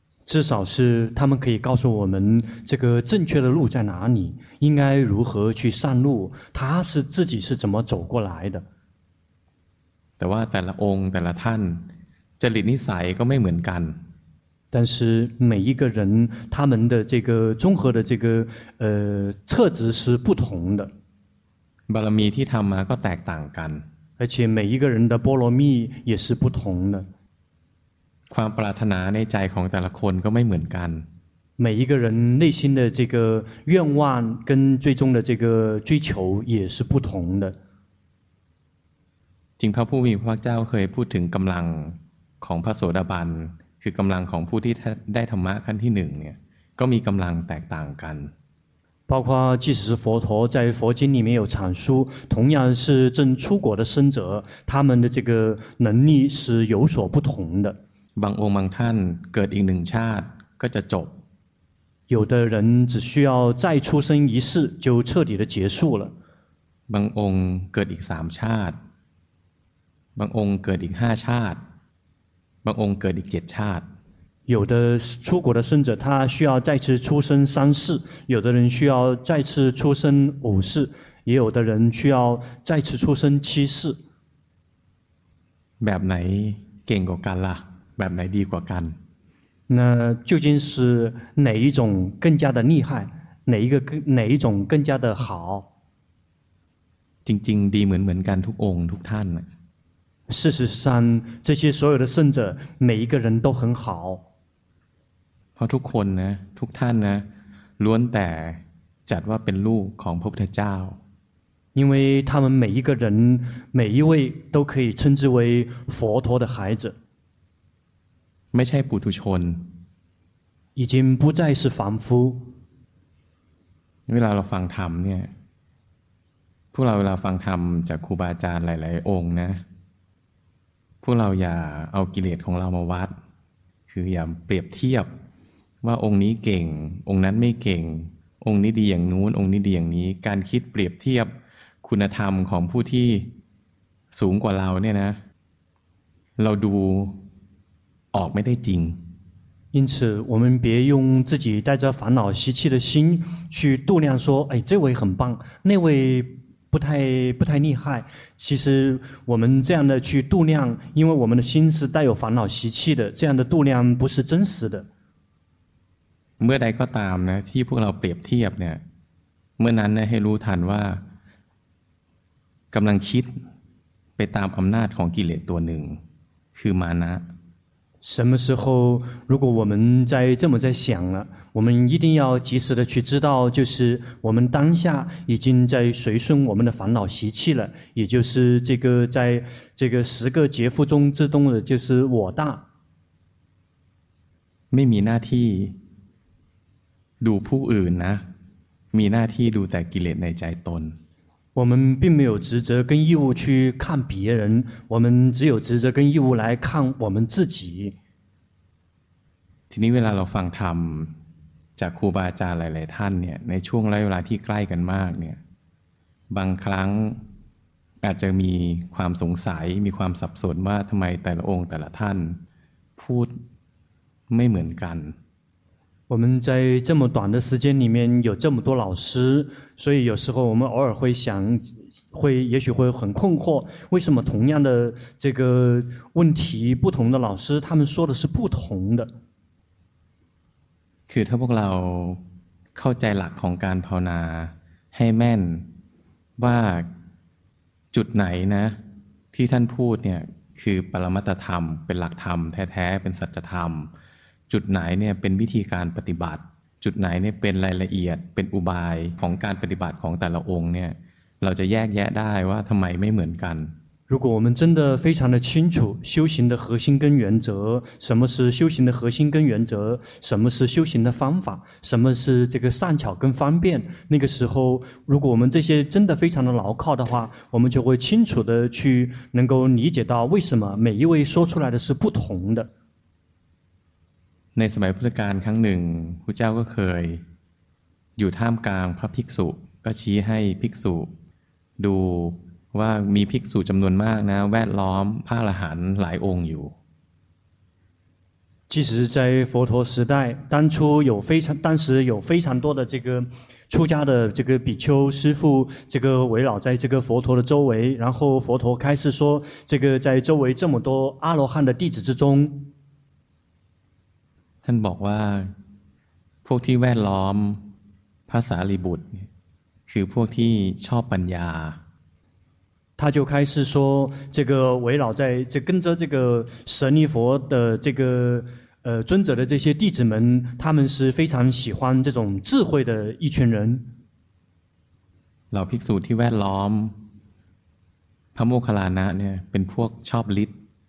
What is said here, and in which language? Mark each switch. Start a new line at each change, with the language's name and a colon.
Chinese: 至少是他们可以告诉我们这个正确的路在哪里应该如何去上路他是自己是怎么走过来的
Thai: แต่ว่าแต่ละองค์แต่ละท่านจริตนิสัยก็ไม่เหมือนกัน
Chinese: 但是每一个人他们的这个综合的这个特质是不同的
Thai: บารมีที่ทำมาก็แตกต่างกัน
Chinese: 而且每一个人的波罗蜜也是不同的
Thai: ความปรารถนาในใจของแต่ละคนก็ไม่เหมือนกัน
Chinese: 每一个人内心的这个愿望跟最终的这个追求也是不同的
Thai: จริงพระผู้มีพระภาคเจ้าเคยพูดถึงกำลังของพระโสดาบันคือกำลังของผู้ที่ได้ธรรมะขั้นที่หนึ่งเนี่ยก็มีกำลังแตกต่างกัน
Chinese: 包括即使是佛陀在佛经里面有阐述同样是正出果的僧者他们的这个能力是有所不同的
Thai: บางองค์บางท่านเกิดอีกหนึ่งชาติก็จะจบ
Chinese: 有的人只需要再出生一世就彻底的结束了
Thai: บางองค์เกิดอีก3ชาติบางองค์เกิดอีก5ชาติบางองค์เกิดอีก7ชาติ
Chinese: 有的出国的圣者他需要再次出生三世有的人需要再次出生五世也有的人需要再次出生七世
Thai: แบบไหนเก่งกว่ากันล่ะแบบไหนดีกว่ากัน
Chinese: 那究竟是哪一种更加的厉害哪一种更加的好
Thai: จริงๆดีเหมือนกันทุกองค์ทุกท่าน
Chinese: 事实上，这些所有的圣者，每一个人都很好。
Thai: เพราะทุกคนนะทุกท่านนะล้วนแต่จัดว่าเป็นลูกของพระพุทธเจ้า
Chinese: 因为他们每一个人每一位都可以称之为佛陀的孩子
Thai: ไม่ใช่ปุถุชน
Chinese: 已经不再是凡夫
Thai: เวลาเราฟังธรรมเนี่ยพวกเราเวลาฟังธรรมจากครูบาอาจารย์หลายๆองค์นะพวกเราอย่าเอากิเลสของเรามาวัดคืออย่าเปรียบเทียบว่าองค์นี้เก่งองค์นั้นไม่เก่งองค์นี้ดีอย่างนู้นองค์นี้ดีอย่างนี้การคิดเปรียบเทียบคุณธรรมของผู้ที่สูงกว่าเราเนี่ยนะเราดูออกไม่ได้จริง
Chinese: 因此我们别用自己带着烦恼习气的心去度量说哎这位很棒那位不太厉害其实我们这样的去度量因为我们的心是带有烦恼习气的这样的度量不是真实的
Thai: เมื่อใดก็ตามนะที่พวกเราเปรียบเทียบเนี่ยเมื่อนั้นเนี่ยให้รู้ทันว่ากำลังคิดไปตามอำนาจของกิเลสตัวหนึ่งคือมานะ
Chinese: 什么时候如果我们在这么在想了我们一定要及时的去知道就是我们当下已经在随顺我们的烦恼习气了也就是这个在这个十个劫缚中自动的就是我大
Thai: ไม่มีหน้าที่ดูผู้อื่นนะมีหน้าที่ดูแต่กิเลสในใจตน
Chinese: 我们并没有职责跟义务去看别人我们只有职责跟义务来看我们自己
Thai: ทีนี้เวลาเราฟังธรรมจากครูบาอาจารย์หลายๆท่านเนี่ยในช่วงระยะเวลาที่ใกล้กันมากเนี่ยบางครั้งอาจจะมีความสงสัยมีความสับสนว่าทำไมแต่ละองค์แต่ละท่านพูดไม่เหมือนกัน
Chinese: 我们在这么短的时间里面有这么多老师所以有时候我们偶尔会想会也许会很困惑为什么同样的这个问题不同的老师他们说的是不同的
Thai: คือถ้าพวกเราเข้าใจหลักของการภาวนาให้แม่นว่าจุดไหนนะที่ท่านพูดเนี่ยคือปรมัตถธรรมเป็นหลักธรรมแท้ๆเป็นสัจธรรมจุดไหนเนี่ยเป็นวิธีการปฏิบัติจุดไหนเนี่ยเป็นรายละเอียดเป็นอุบายของการปฏิบัติของแต่ละองค์เนี่ยเราจะแยกแยะได้ว่าทำไมไม่เหมือนกัน
Chinese: 如果我们真的非常的清楚修行的核心跟原则什么是修行的核心跟原则什么是修行的方法什么是这个善巧跟方便那个时候如果我们这些真的非常的牢靠的话我们就会清楚的去能够理解到为什么每一位说出来的是不同的
Thai: ในสมัยพุทธกาลครั้งหนึ่งพระเจ้าก็เคยอยู่ท่ามกลางพระภิกษุก็ชี้ให้ภิกษุดูว่ามีภิกษุจำนวนมากนะแวดล้อมพระอรหันต์หลายองค์อยู่
Chinese: 其实在佛陀时代当初有非常当时有非常多的这个出家的这个比丘师父这个围绕在这个佛陀的周围然后佛陀开始说这个在周围这么多阿罗汉的弟子之中
Thai: ท่านบอกว่าพวกที่แวดล้อมพระสารีบุตรคือพวกที่ชอบปัญญา
Chinese: 他就开始说这个围绕在这跟着这个舍利佛的这个尊者的这些弟子们他们是非常喜欢这种智慧的一群人
Thai: เหล่าภิกษุที่แวดล้อมพระโมคคัลลานะเนี่ยเป็นพวกชอบฤทธิ์